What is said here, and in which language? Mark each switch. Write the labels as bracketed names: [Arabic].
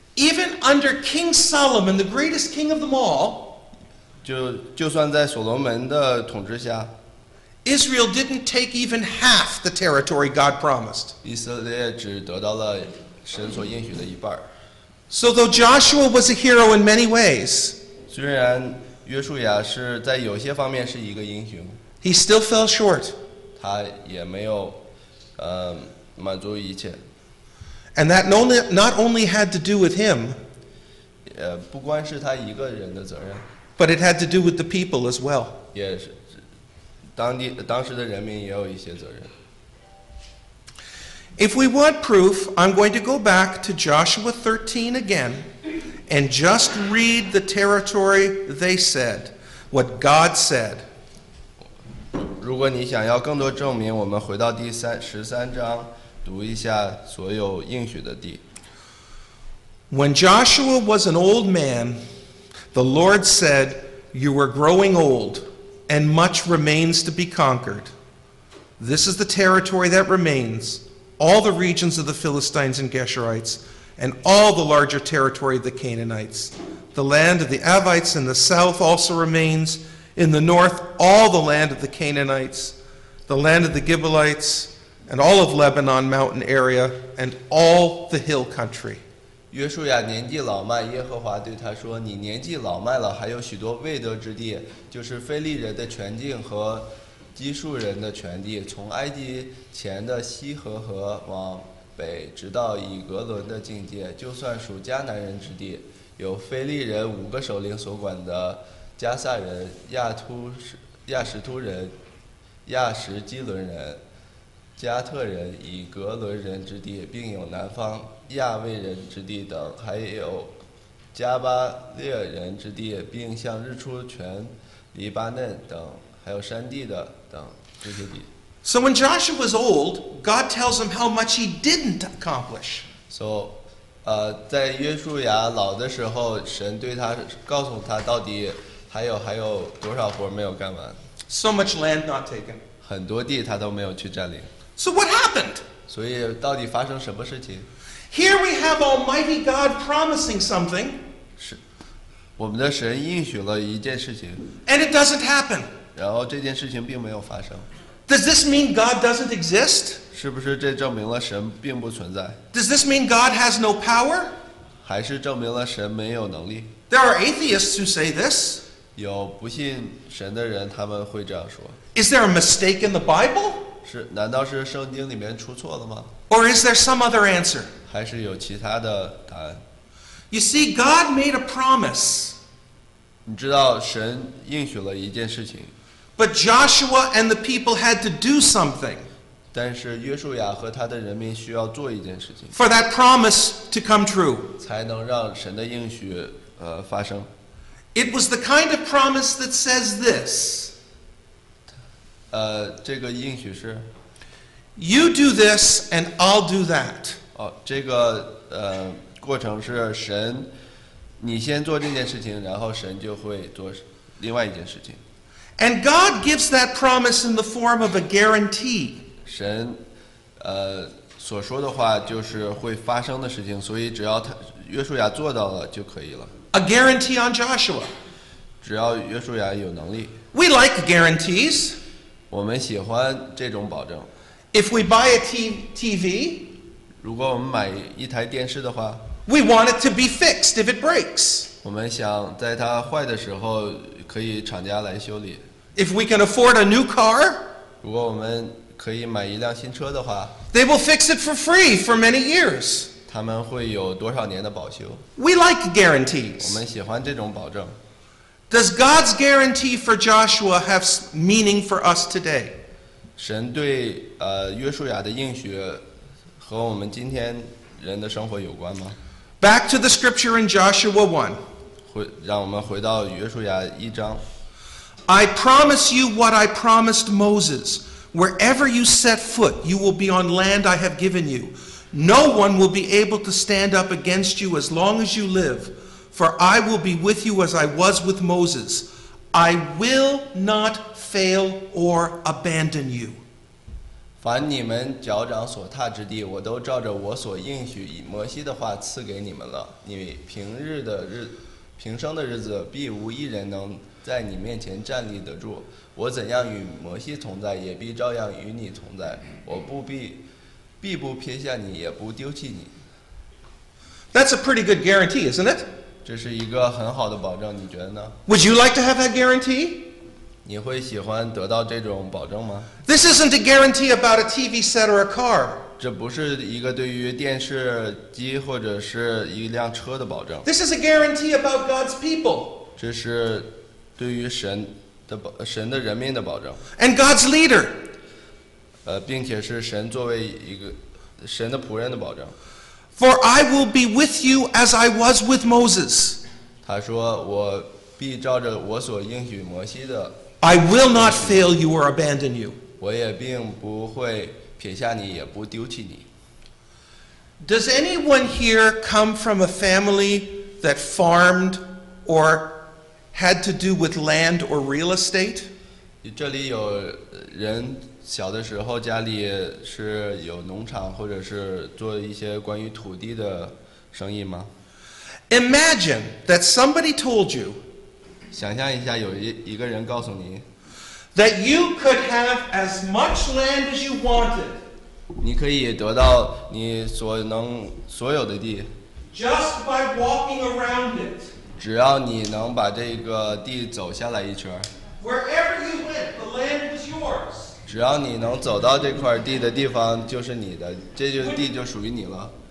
[English] Even under King Solomon, the greatest king of them all, [Chinese] 就算在所罗门的统治下 [English] Israel didn't take even half the territory God promised. [Chinese] 以色列只得到了神所应许的一半。 [English] So though Joshua was a hero in many ways, [Chinese] 虽然约书亚是在有些方面是一个英雄， [English] he still fell short. [Chinese] 他也没有满足一切。 [English] And that not only had to do with him, [Chinese] 也不光是他一个人的责任。 [English] But it had to do with the people as well. [Chinese] 也是当时的人民也有一些责任。 [English] If we want proof, I'm going to go back to Joshua 13 again and just read the territory they said, what God said. [Chinese] 如果你想要更多证明，我们回到第13章，读一下所有应许的地。 [English] When Joshua was an old man, the Lord said, "You are growing old, and much remains to be conquered. This is the territory that remains." All the regions of the Philistines and Geshurites, and all the larger territory of the Canaanites. The land of the Avites in the south also remains. In the north, all the land of the Canaanites, the land of the Gibeonites, and all of Lebanon mountain area, and all the hill country. [Chinese] 约书亚年纪老迈，耶和华对他说：“你年纪老迈了，还有许多未得之地，就是非利人的全境和。” 基述人的全地，从埃及前的西河河往北，直到以格伦的境界，就算属迦南人之地，有非利人五个首领所管的加萨人、亚什突人、亚什基伦人、加特人、以格伦人之地，并有南方亚卫人之地等，还有加巴列人之地，并向日出全黎巴嫩等。还有山地的等这些地。 [English] So when Joshua was old, God tells him how much he didn't accomplish. [Chinese] So, 在约书亚老的时候，神对他告诉他到底还有多少活没有干完。 [English] So much land not taken. [Chinese] 很多地他都没有去占领。 [English] So what happened? [Chinese] 所以到底发生什么事情 [English] ？Here we have Almighty God promising something. [Chinese] 是，我们的神应许了一件事情。 [English] And it doesn't happen. [Chinese] 然后这件事情并没有发生。 [English] Does this mean God doesn't exist? [Chinese] 是不是这证明了神并不存在？ [English] Does this mean God has no power? [Chinese] 还是证明了神没有能力？ [English] There are atheists who say this. [Chinese] 有不信神的人，他们会这样说。 [English] Is there a mistake in the Bible? [Chinese] 是，难道是圣经里面出错了吗？ [English] Or is there some other answer? [Chinese] 还是有其他的答案？ [English] You see, God made a promise. [Chinese] 你知道神应许了一件事情。 [English] But Joshua and the people had to do something. [Chinese] 但是约书亚和他的人民需要做一件事情。 [English] For that promise to come true. [Chinese] 才能让神的应许发生。 [English] It was the kind of promise that says this. [Chinese] 这个应许是。 [English] You do this and I'll do that. [Chinese] 这个过程是神你先做这件事情，然后神就会做另外一件事情。 [English] And God gives that promise in the form of a guarantee. [Chinese] 神，所说的话就是会发生的事情，所以只要他约书亚做到了就可以了。 [English] A guarantee on Joshua. [Chinese] 只要约书亚有能力。 [English] We like guarantees. [Chinese] 我们喜欢这种保证。 [English] If we buy a TV. [Chinese] 如果我们买一台电视的话。 [English] We want it to be fixed if it breaks. [Chinese] 我们想在它坏的时候可以厂家来修理。 [English] If we can afford a new car, [Chinese] 如果我们可以买一辆新车的话， [English] they will fix it for free for many years. [Chinese] 他们会有多少年的保修？ [English] We like guarantees. [Chinese] 我们喜欢这种保证。 [English] Does God's guarantee for Joshua have meaning for us today? [Chinese] 神对约书亚的应许和我们今天人的生活有关吗？ [English] Back to the scripture in Joshua 1. [Chinese] 让我们回到约书亚一章。 [English] I promise you what I promised Moses. Wherever you set foot, you will be on land I have given you. No one will be able to stand up against you as long as you live. For I will be with you as I was with Moses. I will not fail or abandon you. [Chinese] 凡你们脚掌所踏之地，我都照着我所应许以摩西的话赐给你们了。你平日的日，平生的日子，必无一人能在你面前站立得住。我怎样与摩西同在，也必照样与你同在。我不必必不撇下你，也不丢弃你。 [English] That's a pretty good guarantee, isn't it? [Chinese] 这是一个很好的保证，你觉得呢？ [English] Would you like to have that guarantee? [Chinese] 你会喜欢得到这种保证吗？ [English] This isn't a guarantee about a TV set or a car. [Chinese] 这不是一个对于电视机或者是一辆车的保证。 [English] This is a guarantee about God's people. [Chinese] 这是对于神的神的人民的保证。 [English] And God's leader. [Chinese] 并且是神作为一个神的仆人的保证。 [English] For I will be with you as I was with Moses. [Chinese] 他说我必照着我所应许摩西的。 [English] I will not fail you or abandon you. [Chinese] 我也并不会撇下你，也不丢弃你。 [English] Does anyone here come from a family that farmed or had to do with land or real estate? [Chinese] 这里有人小的时候家里是有农场或者是做一些关于土地的生意吗？ [English] Imagine that somebody told you, [Chinese] 想象一下有一个人告诉你， [English] that you could have as much land as you wanted, [Chinese] 你可以得到你所能所有的地， [English] just by walking around it, [Chinese] 只要你能把这个地走下来一圈， [English] wherever you went, the land was yours. [Chinese] 只要你能走到这块地的地方就是你的，这就地就属于你了。